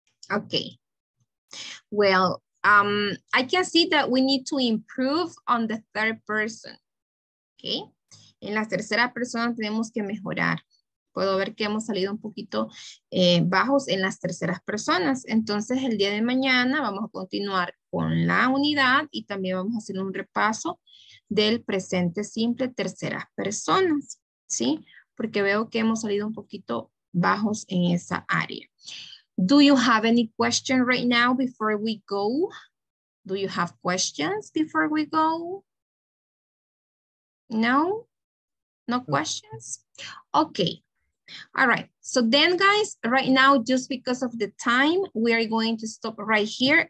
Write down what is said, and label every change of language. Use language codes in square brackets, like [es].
[en] Okay, well, I can see that we need to improve on the third person, okay? [es] En la tercera persona tenemos que mejorar. Puedo ver que hemos salido un poquito bajos en las terceras personas. Entonces, el día de mañana vamos a continuar con la unidad y también vamos a hacer un repaso del presente simple terceras personas, ¿sí? Porque veo que hemos salido un poquito bajos en esa área. [en] Do you have any question right now before we go? Do you have questions before we go? No? No questions? Okay. All right. So then, guys, right now, just because of the time, we are going to stop right here.